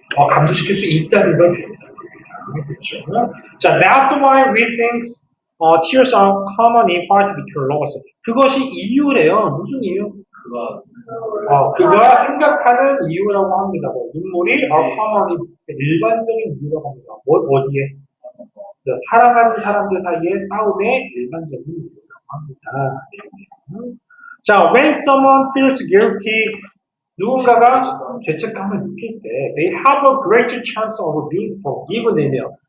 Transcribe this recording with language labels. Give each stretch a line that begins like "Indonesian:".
Korean: 감도시킬 수 있다는 걸 배운다. 그렇죠.
English: That's why we think tears are common in part between lovers.
Korean: 그것이 이유래요. 무슨 이유? 그가 생각하는 이유라고 합니다. 뭐, 눈물이 어마어마히 일반적인 이유라고 합니다. 뭐, 어디에? 네, 사랑하는 사람들 사이의 싸움의 일반적인 이유라고 합니다.
English: 자, when someone feels guilty,
Korean: 누군가가 죄책감을 느낄 때,
English: they have a great chance of being forgiven이네요.